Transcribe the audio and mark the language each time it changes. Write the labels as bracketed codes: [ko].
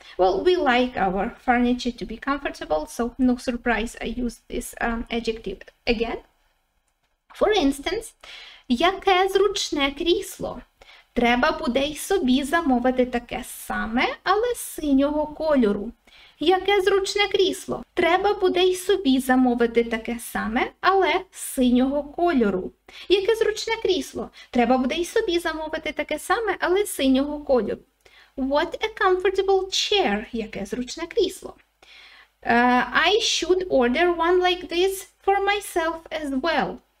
[en] Well, we like our furniture to be comfortable, so no surprise I use this adjective again. For instance, [uk] яке зручне крісло? Треба буде й собі замовити таке саме, але синього кольору. Яке зручне крісло? Треба буде й собі замовити таке саме, але синього кольору. Яке зручне крісло? Треба буде й собі замовити таке саме, але синього кольору. [en] What a comfortable chair. [uk] Яке зручне крісло. [en] I should order one like this for myself as well.